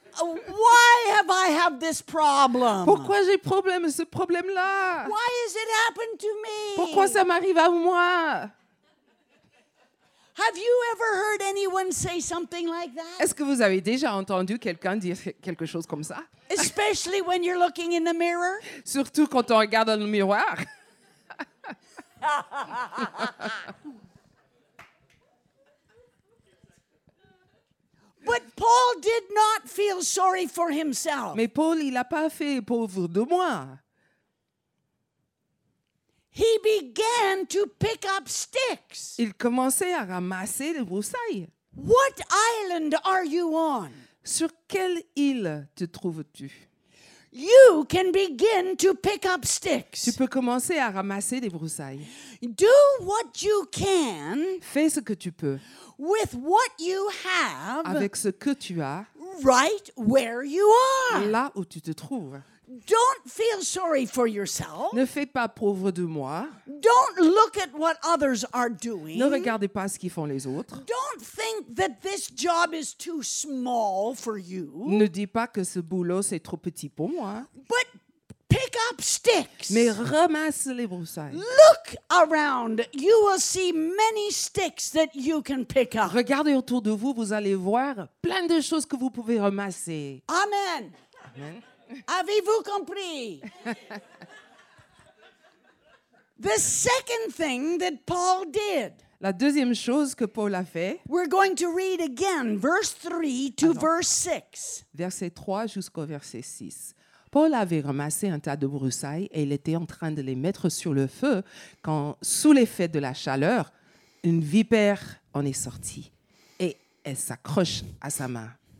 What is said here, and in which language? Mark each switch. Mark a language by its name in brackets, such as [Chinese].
[English] Why have I have this problem? [French] Pourquoi j'ai problème, ce problème-là? [English] Why has it happened to me? [French] Pourquoi ça m'arrive à moi? [English] Have you ever heard anyone say something like that? [French] Est-ce que vous avez déjà entendu quelqu'un dire quelque chose comme ça? [English] Especially when you're looking in the mirror? [French] Surtout quand on regarde dans le miroir. [English] But Paul did not feel sorry for himself. [French] Mais Paul, il a pas fait pauvre de moi. [English] He began to pick up sticks. [French] Il commençait à ramasser les broussailles. [English] What island are you on? [French] Sur quelle île te trouves-tu? [English] You can begin to pick up sticks. [French] Tu peux commencer à ramasser les broussailles. [English] Do what you can. [French] Fais ce que tu peux. [English] With what you have. [French] Avec ce que tu as. [English] Right where you are. [French] Là où tu te trouves. [English] Don't feel sorry for yourself. [French] Ne fais pas pauvre de moi. [English] Don't look at what others are doing. [French] Ne regardez pas ce qu'ils font les autres. [English] Don't think that this job is too small for you. [French] Ne dis pas que ce boulot c'est trop petit pour moi. [English] But pick up sticks. [French] Mais ramasse les broussailles. [English] Look around. You will see many sticks that you can pick up. [French] Regardez autour de vous, vous allez voir plein de choses que vous pouvez ramasser. [English] Amen. [French] Amen. Avez-vous compris? [English] The second thing that Paul did. [French] La deuxième chose que Paul a fait. [English] We're going to read again, verse 3 to verse 6. [French] Verset 3 jusqu'au verset 6. Paul avait ramassé un tas de broussailles et il était en train de les mettre sur le feu quand, sous l'effet de la chaleur, une vipère en est sortie et elle s'accroche à sa main.